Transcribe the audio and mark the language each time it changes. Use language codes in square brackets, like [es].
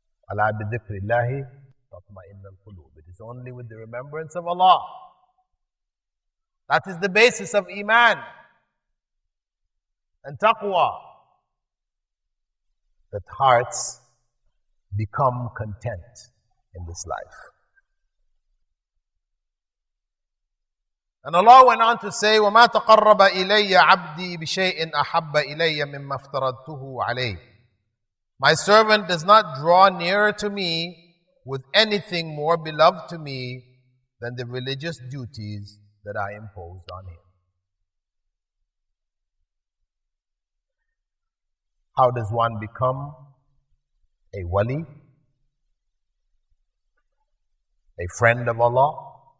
[ar] Ala bi dhikri Allahi tatma'innu al-qulub. [en] It is only with the remembrance of Allah. That is the basis of iman and taqwa. That hearts become content in this life. And Allah went on to say, [ar] وَمَا تَقَرَّبَ إِلَيَّ عَبْدِي بِشَيْءٍ أَحَبَّ إِلَيَّ مِمَّا افْتَرَدْتُهُ عَلَيْهِ. [en] My servant does not draw nearer to me with anything more beloved to me than the religious duties that I imposed on him. How does one become a wali, a friend of Allah.